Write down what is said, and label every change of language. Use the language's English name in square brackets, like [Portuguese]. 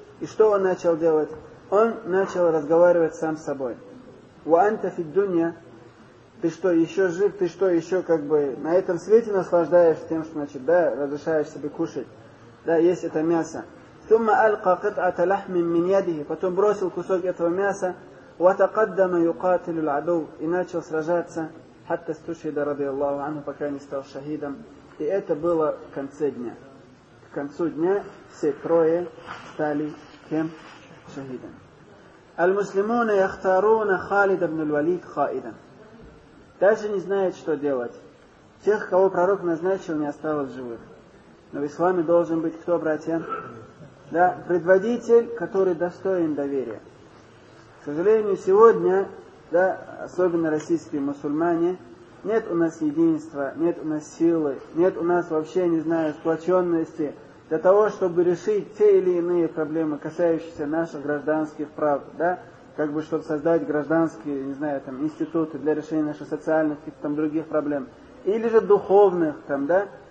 [Russian] И что он начал делать? Он начал разговаривать сам с собой. [Arabic] «Ва анта фид дунья, [Russian] ты что, еще жив, ты что, еще как бы на этом свете наслаждаешься тем, что, значит, да, разрешаешь себе кушать, да, есть это мясо. [Arabic] ثم ألقى قطعة لحم من يده [Russian] потом бросил кусок этого мяса [Arabic] وتقدم يقاتل العدو [Russian] и начал сражаться [Arabic] حتى استشهد رضي الله عنه [Russian] пока не стал шахидом. И это было в конце дня. К концу дня все трое стали кем? Шахидом. [Arabic] المسلمون يختارون خالد بن الوليد قائدا [Russian] даже не знает, что делать. Тех, кого пророк назначил, не осталось живых. Но в исламе должен быть кто, братья? Да, предводитель, который достоин доверия. К сожалению, сегодня, да, особенно российские мусульмане, нет у нас единства, нет у нас силы, нет у нас вообще, не знаю, сплоченности для того, чтобы решить те или иные проблемы, касающиеся наших гражданских прав, да, как бы, чтобы создать гражданские, не знаю, там, институты для решения наших социальных, каких-то там других проблем, или же духовных, там, да.